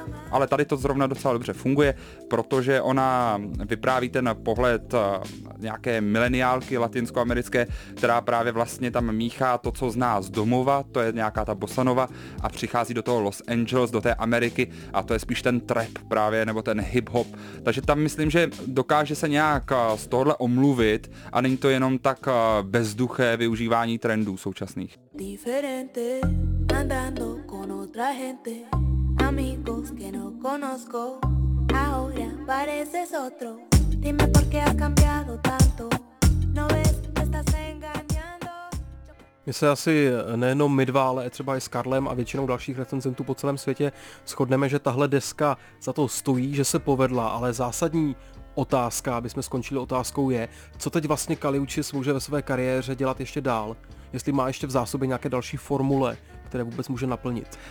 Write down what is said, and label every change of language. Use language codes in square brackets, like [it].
[cs] Ale tady to zrovna docela dobře funguje, protože ona vypráví ten pohled nějaké mileniálky latinskoamerické, která právě vlastně tam míchá to, co zná z domova, to je nějaká ta bossanova, a přichází do toho Los Angeles, do té Ameriky, a to je spíš ten trap právě, nebo ten hip-hop. Takže tam myslím, že dokáže se nějak z tohohle omluvit a není to jenom tak bezduché využívání trendů současných. [es] Diferente, andando con otra gente. Amigos que no conozco, ahora pareces otro. Dime por qué has cambiado tanto. No ves, me estás engañando. [cs] My se asi nejenom my dva, ale třeba i s Karlem a většinou dalších recenzentů po celém světě shodneme, že tahle deska za to stojí, že se povedla, ale zásadní otázka, aby jsme skončili otázkou, je, co teď vlastně Kaliučis může ve své kariéře dělat ještě dál, jestli má ještě v zásobě nějaké další formule, které vůbec může naplnit.